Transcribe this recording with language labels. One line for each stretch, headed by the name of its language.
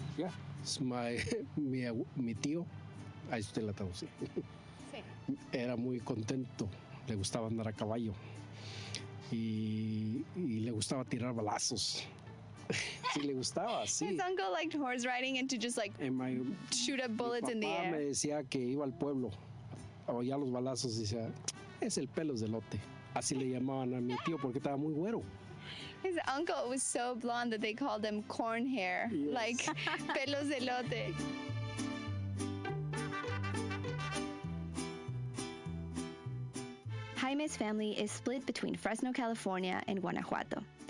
English: Yeah. It's
Spanish: mi tío, ahí usted la traduce. Sí. Era muy contento. Le gustaba andar a caballo. Y le gustaba tirar balazos. Sí, le gustaba, sí.
English: His uncle liked horse riding and to just like shoot up bullets in the air.
Spanish: Mi papá me decía que iba al pueblo. O ya los balazos, decía, es el pelos de lote. Así le llamaban a mi tío porque estaba muy güero.
English: His uncle was so blonde that they called him corn hair, yes. Like pelos de lote. Jaime's family is split between Fresno, California, and Guanajuato.